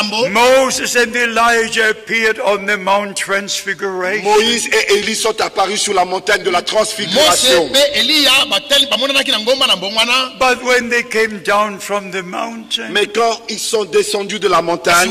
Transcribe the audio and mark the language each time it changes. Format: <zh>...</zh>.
<en>Moses and Elijah appeared on the Mount Transfiguration.</en> <fr>Moïse et Élie sont apparus sur la montagne de la Transfiguration.</fr> <en>But when they came down from the mountain,</en> <fr>mais quand ils sont descendus de la montagne,</fr>